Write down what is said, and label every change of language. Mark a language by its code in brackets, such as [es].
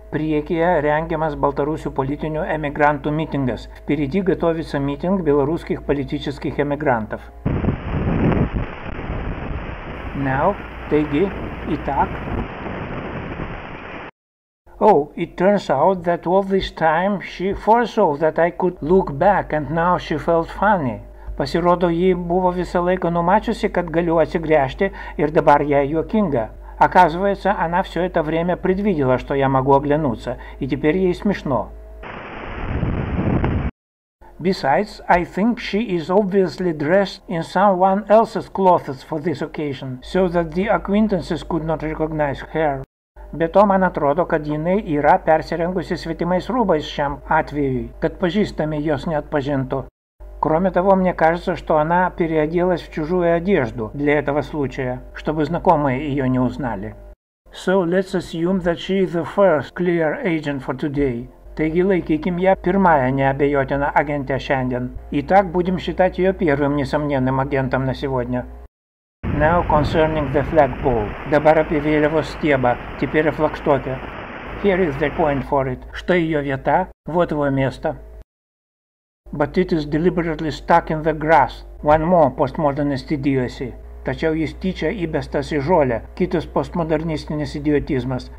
[lt] Priekyje rengiamas baltarusių politinių emigrantų mitingas. [ru] Впереди готовится митинг белорусских политических эмигрантов. [en] Now, [lt] taigi, [ru] итак. [en] Oh, it turns out that all this time she foresaw that I could look back and now she felt funny. [lt] Pasirodo, ji buvo visą laiką numačiusi, kad galiu atsigręžti ir dabar ją juokinga. [ru] Оказывается, она все это время предвидела, что я могу оглянуться, и теперь ей смешно. [en] Besides, I think she is obviously dressed in someone else's clothes for this occasion, so that the acquaintances could not recognize her. [lt] Be to, man atrodo, kad jinai yra persirengusi svetimais rūbais šiam atvejui, kad pažįstami jos neatpažintų. [ru] Кроме того, мне кажется, что она переоделась в чужую одежду для этого случая, чтобы знакомые ее не узнали. [en] So let's assume that she is the first clear agent for today. [lt] Taigi laikykim ją pirmąją neabejotiną агентę šiandien. [ru] Итак, будем считать ее первым несомненным агентом на сегодня. [en] Now concerning the flagpole. [lt] Dabar apie vėliavos stiebą, [ru] теперь о флагштоке. [en] Here is the point for it. [ru] Что ее вета? Вот его место. [en] But it is deliberately stuck in the grass. One more postmodernist idiocy. [lt] Tačiau jis tyčia įbestas į žolę, kitas postmodernistinis idiotizmas.